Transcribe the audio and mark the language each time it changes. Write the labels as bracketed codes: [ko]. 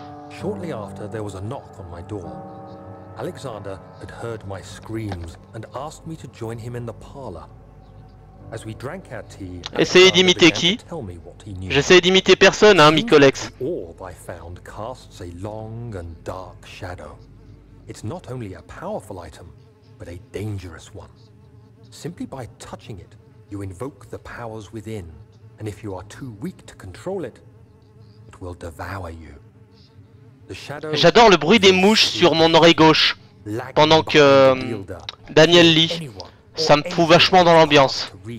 [en] Shortly after, there was a knock on my door. Alexander had heard my screams and asked me to join him in the parlor. As we drank our tea, [fr] essayez d'imiter qui? J'essaie d'imiter personne, hein, Micolex. [en] The orb I found casts a long and dark shadow. It's not only a powerful item, but a dangerous one. Simply by touching it, you invoke the powers within, and if you are too weak to control it, it will devour you. [fr] J'adore le bruit des mouches sur mon oreille gauche pendant que Daniel lit. Ça me fout vachement dans l'ambiance.